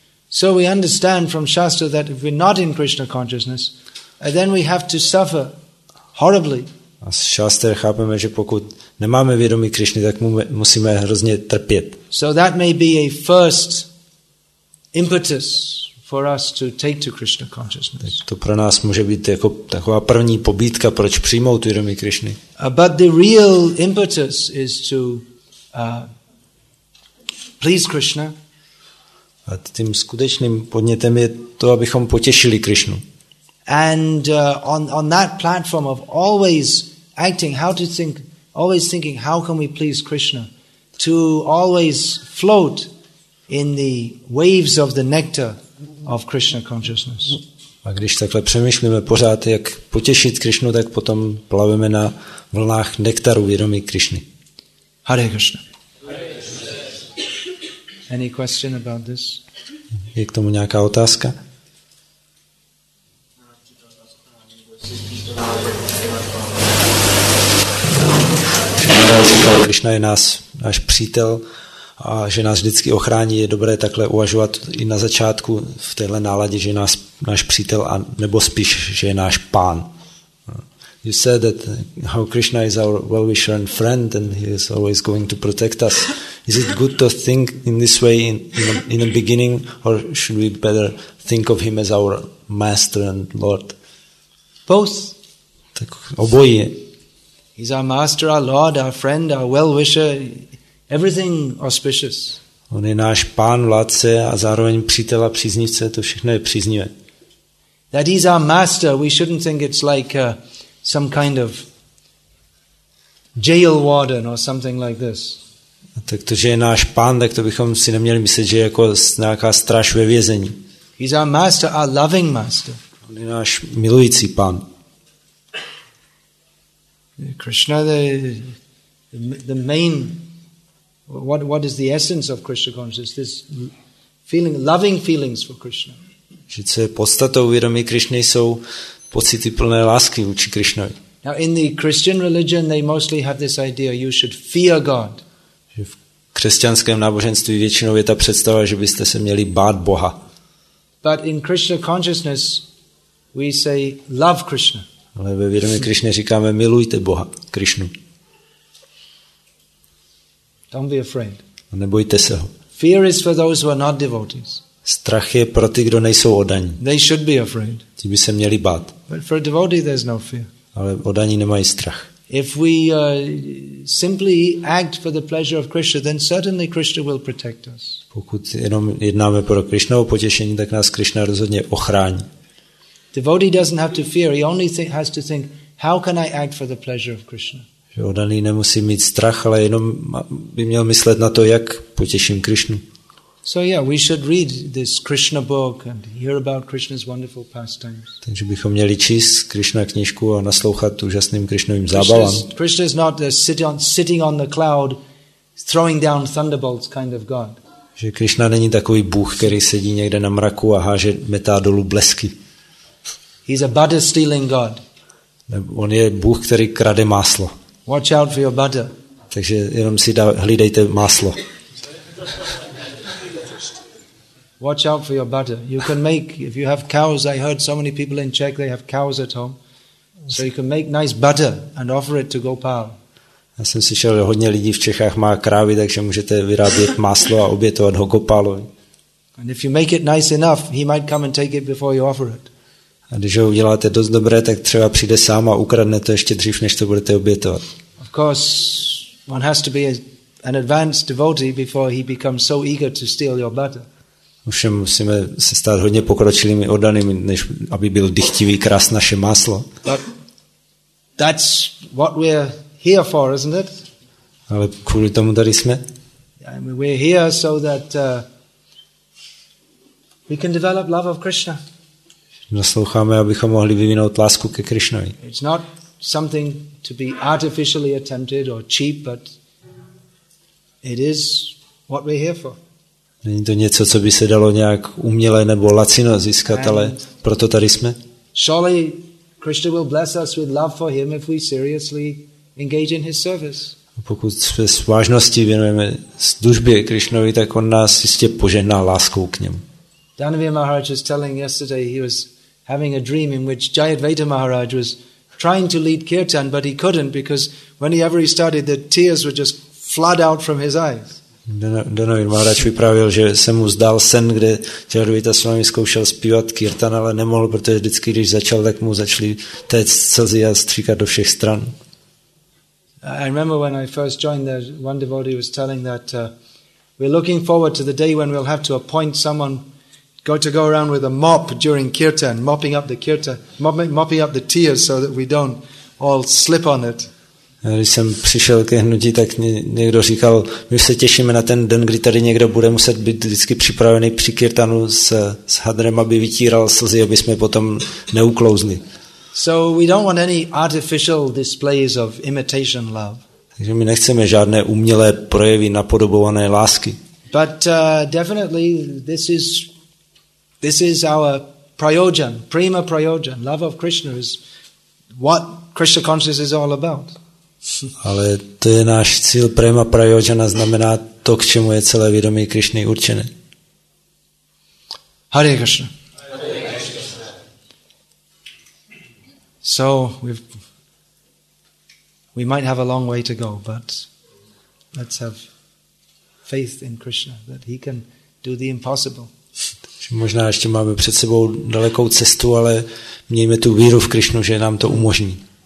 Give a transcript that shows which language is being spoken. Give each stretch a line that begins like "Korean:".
English: So we understand from Shastra that if we're not in Krishna consciousness, and then we have to suffer horribly.
Czech: A z šástry chápeme, že pokud nemáme vědomí Krišny, tak musíme hrozně trpět.
English: So that may be a first impetus for us to take to Krishna consciousness.
Czech: To pro nás může být jako taková první pobídka, proč přijmout vědomí Krišny.
English: But the real impetus is to please Krishna.
Czech: A tím skutečným podnětem je to, abychom potěšili Krišnu.
English: And on that platform of always acting, how to think, always thinking, how can we please Krishna? To always float in the waves of the nectar of Krishna consciousness.
Czech: A když takhle přemýšlíme pořád, jak potěšit Krišnu, tak potom plaveme na vlnách nektaru vědomí Krišny.
English: Hare Krishna. Any question about this?
Czech: Je k tomu nějaká otázka? Krišna je náš přítel a že nás vždycky ochrání, je dobré takhle uvažovat i na začátku v téhle náladě, že je náš přítel a nebo spíš, že je náš pán.
English: You said that how Krishna is our well-wisher and friend and he is always going to protect us. Is it good to think in this way in the beginning or should we better think of him as our master and lord? Both.
Czech: Tak oboje.
English: He's our master, our lord, our friend, our well-wisher, everything auspicious.
Czech: On je náš pán, vládce a zároveň přítel a příznivce, to všechno je příznivé.
English: That he's our master, we shouldn't think it's like some kind of jail warden or something like this.
Czech: Tak to, že je náš pán, tak to bychom si neměli myslet, že je jako nějaká straž ve vězení.
English: He's our master, our loving master.
Czech: On je náš milující pán.
English: Krishna, the main, what is the essence of Krishna consciousness? This feeling, loving feelings for Krishna.
Czech: Že co je podstatou vědomí Krišny, jsou pocity plné lásky vůči Krišnovi.
English: Now in the Christian religion, they mostly have this idea, you should fear God.
Czech: Že v křesťanském náboženství většinou je ta představa, že byste se měli bát Boha.
English: But in Krishna consciousness, we say, love Krishna.
Czech: Ale ve vědomí Krišně říkáme milujte Boha, Krišnu.
English: Don't be afraid.
Czech: A nebojte se ho.
English: Fear is for those who are not devotees.
Czech: Strach je pro ty, kdo nejsou oddaní.
English: They should be afraid.
Czech: Ti by se měli bát.
English: But for a devotee there's no fear.
Czech: Ale oddaní nemají strach.
English: If we simply act for the pleasure of Krishna, then certainly Krishna will protect us.
Czech: Pokud jenom jednáme pro Krišnovo potěšení, tak nás Krišna rozhodně ochrání.
English: Devotee doesn't have to fear. He only has to think, how can I act for the pleasure of Krishna?
Czech: Oddaný nemusí mít strach, ale jenom by měl myslet na to, jak potěším Krišnu.
English: So yeah, we should read this Krishna book and hear about Krishna's wonderful pastimes.
Czech: Takže bychom měli číst Krišna knížku a naslouchat úžasným Krišnovým zábavám.
English: Krishna is not the sitting on the cloud, throwing down thunderbolts kind of God.
Czech: Že Krišna není takový bůh, který sedí někde na mraku a háže metá dolů blesky.
English: He's a butter stealing god.
Czech: On je bůh, který krade máslo.
English: Watch out for your butter.
Czech: Takže jenom si hlídejte máslo.
English: Watch out for your butter. You can make, if you have cows, I heard so many people in Czech, they have cows at home. So you can make nice butter and offer it to Gopal.
Czech: Já jsem slyšel, že hodně lidí v Čechách má krávy, takže můžete vyrábět máslo a obětovat ho Gopalovi.
English: And if you make it nice enough, he might come and take it before you offer it.
Czech: A když ho uděláte dost dobré, tak třeba přijde sám a ukradne to ještě dřív, než to budete obětovat.
English: Of course, one has to be an advanced devotee before he becomes so eager to steal your butter.
Czech: Ovšem musíme se stát hodně pokročilými oddanými, než aby byl dychtivý krást naše máslo.
English: But that's what we're here for, isn't it?
Czech: Ale kvůli tomu tady jsme.
English: I mean, we're here so that we can develop love of Krishna.
Czech: Nasloucháme, abychom mohli vyvinout lásku ke Krišnovi.
English: It's not something to be artificially attempted or cheap, but it is what we're here for.
Czech: Není to něco, co by se dalo nějak uměle nebo lacino získat, ale proto tady jsme.
English: Surely Krishna will bless us with love for him if we seriously engage in his service.
Czech: Pokud se s vážností věnujeme službě Krišnovi, tak on nás jistě požehná láskou k němu.
English: Dhanavir Maharaj was telling yesterday he was having a dream in which Jayadvaita Maharaj was trying to lead kirtan, but he couldn't because whenever he started, the tears would just flood out from his eyes.
Czech: Donovan Maharaj vyprávěl, že se mu zdal sen, kde Charvita s vámi zkoušel zpívat kirtan, ale nemohl, protože vždycky, když začal, tak mu začaly téct slzy a stříkat do všech stran.
English: I remember when I first joined there, one devotee was telling that we're looking forward to the day when we'll have to appoint someone go around with a mop during kirtan, mopping up the kirtan, mopping up the tears so that we don't all slip on it.
Czech: Když jsem přišel ke hnutí, tak někdo říkal, my se těšíme na ten den, kdy tady někdo bude muset být vždycky připravený při kirtanu s hadrem, aby vytíral slzy, aby jsme potom neuklouzli.
English: So we don't want any artificial displays of imitation love.
Czech: Takže my nechceme žádné umělé projevy napodobované lásky.
English: But definitely this is our prayojan, prima prayojan, love of Krishna is what Krishna consciousness is all about.
Czech: Ale to je náš cíl, prema prajojana znamená to, k čemu je celé vědomí Krišny určené.
English: Hare Krishna. Hare Krishna. So we might have a long way to go, but let's have faith in Krishna that he can do the impossible.
Czech: Možná ještě máme před sebou dalekou cestu, ale mějme tu víru v Krišnu, že nám to umožní.